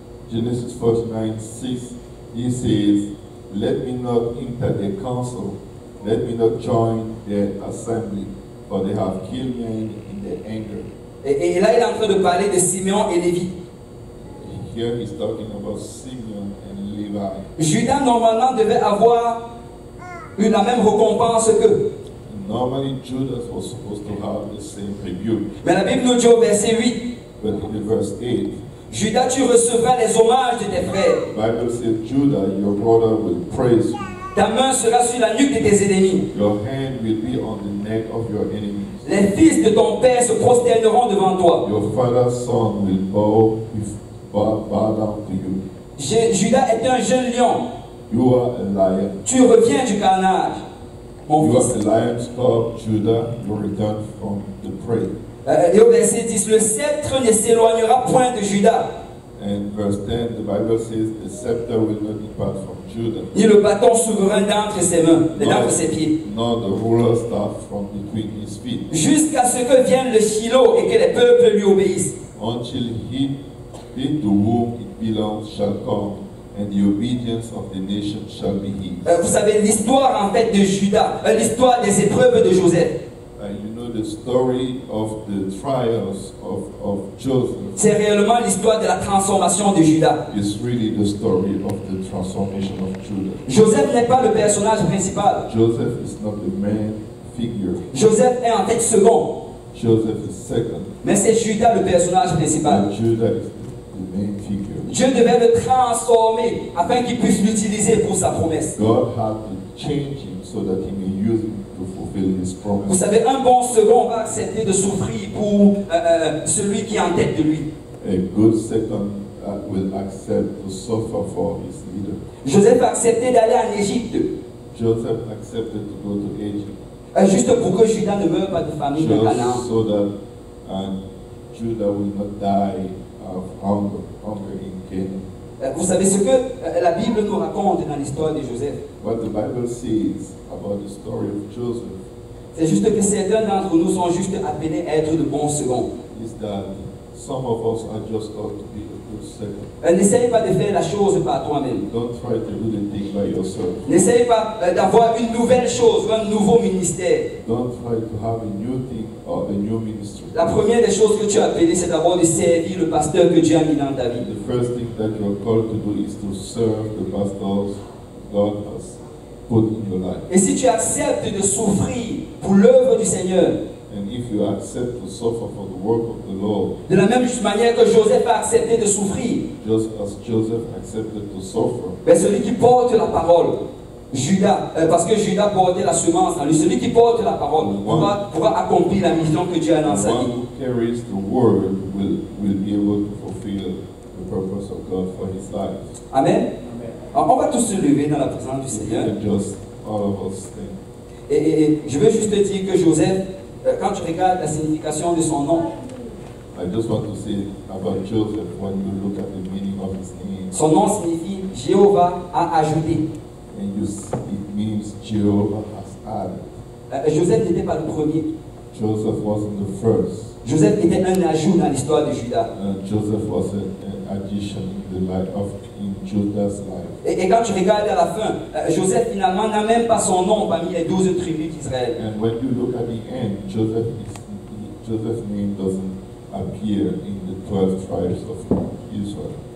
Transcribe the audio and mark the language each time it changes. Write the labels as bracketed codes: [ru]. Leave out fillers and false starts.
[en] Genesis 49:6, he says, let me not enter their council, let me not join their assembly, for they have killed me in their anger. [fr] Et là, il est en train de parler de Simeon et Lévi. [en] Here he's talking about Simeon and Levi. [fr] Judas normalement devait avoir la même récompense qu'eux. [en] Normally, Judas was supposed to have the same rebuke. [fr] Mais la Bible nous dit au verset 8. [en] But in the verse 8. [fr] Judas, tu recevras les hommages de tes frères. [en] Bible says, Judah, your brother will praise you. [fr] Ta main sera sur la nuque de tes ennemis. [en] Your hand will be on the neck of your enemies. [fr] Les fils de ton père se prosterneront devant toi. [en] Your father's son will bow down to you. [fr] Judas est un jeune lion. [en] You are a lion. [fr] Tu reviens du carnage. Mon you fils. [en] Are a lion's cub, Judah, you return from the prey. [fr] Et au verset 10, le sceptre ne s'éloignera point de Judas. [en] And verse 10, the Bible says, the scepter will not depart from Judah. [fr] Ni le bâton souverain d'entre ses mains, d'entre ses pieds. [en] Nor the ruler's staff from between his feet. [fr] Jusqu'à ce que vienne le Shiloh et que les peuples lui obéissent. [en] Until he to whom it belongs shall come, and the obedience of the nation shall be his. [fr] Vous savez, l'histoire en fait de Judas, l'histoire des épreuves de Joseph. [en] You know the story of the trials of Joseph. [fr] C'est réellement l'histoire de la transformation de Judas. [en] It's really the story of the transformation of Judah. [fr] Joseph n'est pas le personnage principal. [en] Joseph is not the main figure. [fr] Joseph est en tête second. [en] Joseph is second. [fr] Mais c'est Judas le personnage principal. [en] And Judah is the main figure. [fr] Dieu devait le transformer afin qu'il puisse l'utiliser pour sa promesse. [en] God had to change him so that he may use him. [fr] Vous savez, un bon second va accepter de souffrir pour celui qui est en tête de lui. [en] A good second will accept to suffer for his leader. [fr] Joseph a accepté d'aller en Égypte. [en] Joseph accepted to go to Egypt. [fr] Juste pour que Judas ne meure pas de famine de Canaan. [en] Just so that Judah will not die of hunger in Canaan. [fr] Vous savez ce que la Bible nous raconte dans l'histoire de Joseph? [en] What the Bible says about the story of Joseph? [fr] C'est juste que certains d'entre nous sont juste appelés à être de bons seconds. [en] Is that some of us are just called to be a good second? [fr] N'essaye pas de faire la chose par toi-même. [en] Don't try to do the thing by yourself. [fr] N'essaye pas d'avoir une nouvelle chose ou un nouveau ministère. [en] Don't try to have a new thing or a new ministry. [fr] La première des choses que tu as appelé, c'est d'abord de servir le pasteur que Dieu a mis dans ta vie. [en] The first thing that you are called to do is to serve the pastors God has put in your life. [fr] Et si tu acceptes de souffrir pour l'œuvre du Seigneur, [en] and if you accept to suffer for the work of the Lord, [fr] de la même manière que Joseph a accepté de souffrir, [en] just as Joseph accepted to suffer, [fr] mais celui qui porte la parole, Judas, parce que Judas portait la semence en lui, celui qui porte la parole pourra accomplir la mission que Dieu a dans sa vie. [en] One who carries the word will be able to fulfill the purpose of God for his life. Amen. [fr] On va tous se lever dans la présence du Seigneur. [en] Just all of us stand. [fr] Et je veux juste te dire que Joseph, quand tu regardes la signification de son nom, [en] I just want to say about Joseph when you look at the meaning of his name. [fr] Son nom signifie Jéhovah a ajouté. [en] And you see, it means Jehovah has added. [fr] Joseph n'était pas le premier. [en] Joseph wasn't the first. [fr] Joseph était un ajout dans l'histoire de Judas. [en] Joseph was an addition in the life of Judas' life. [fr] Et quand tu regardes à la fin, Joseph finalement n'a même pas son nom parmi les 12 tribus d'Israël. [en] And when you look at the end, Joseph's name doesn't appear in the 12 tribes of Israel.